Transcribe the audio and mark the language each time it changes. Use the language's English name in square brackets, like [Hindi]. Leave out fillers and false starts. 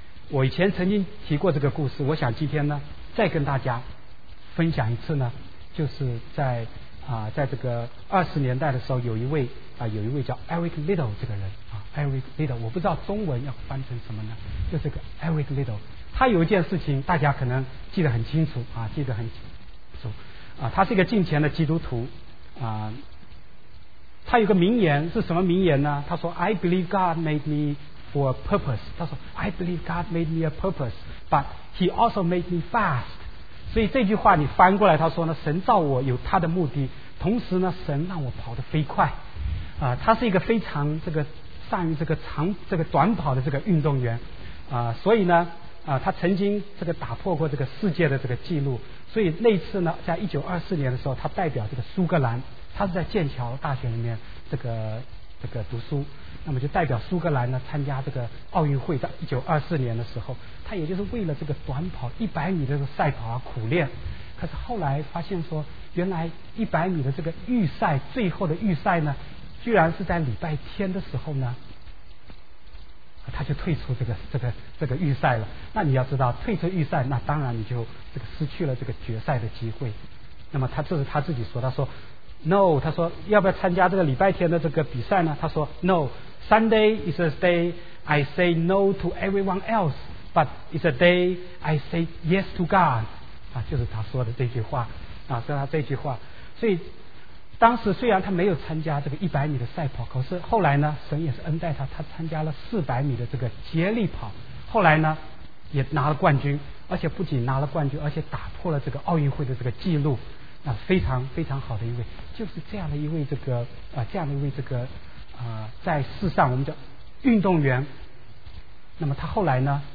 [Chinese] 我以前曾经提过这个故事，我想今天呢再跟大家分享一次呢，就是在这个20年代的时候，有一位叫 Eric Little 这个人啊 ，Eric Little， 我不知道中文要翻成什么呢？就这个 Eric Little， 他有一件事情大家可能记得很清楚啊，记得很清楚啊，他是一个敬虔的基督徒啊。他有个名言是什么名言呢？他说 [English] ：“I believe God made me for a purpose。” [Chinese] 他说 [English] ：“I believe God made me a purpose, but He also made me fast.” [Chinese] 所以这句话你翻过来，他说呢，神造我有他的目的，同时呢，神让我跑得飞快，他是一个非常这个善于这个短跑的这个运动员，所以呢，他曾经这个打破过这个世界的这个记录，所以那次呢，在1924年的时候，他代表这个苏格兰，他是在剑桥大学里面这个读书，那么就代表苏格兰呢参加这个奥运会，在1924年的时候，他也就是为了这个短跑100米的这个赛跑而苦练，可是后来发现说，原来100米的这个预赛，最后的预赛呢，居然是在礼拜天的时候呢，他就退出这个预赛了。那你要知道，退出预赛，那当然你就这个失去了这个决赛的机会。那么这是他自己说，他说 ，No， 他说要不要参加这个礼拜天的这个比赛呢？他说 [English] ，No，Sunday is a day I say no to everyone else。 But it's a day I say yes to God， [Chinese] 啊，就是他说的这句话， [English] 啊，是他这句话。 [Chinese] 所以当时虽然他没有参加这个100米的赛跑，可是后来呢，神也是恩待他，他参加了400米的这个接力跑，后来呢也拿了冠军，而且不仅拿了冠军，而且打破了这个奥运会的这个记录，啊，非常非常好的一位，就是这样的一位这个这样的一位这个在世上我们叫运动员。那么他后来呢？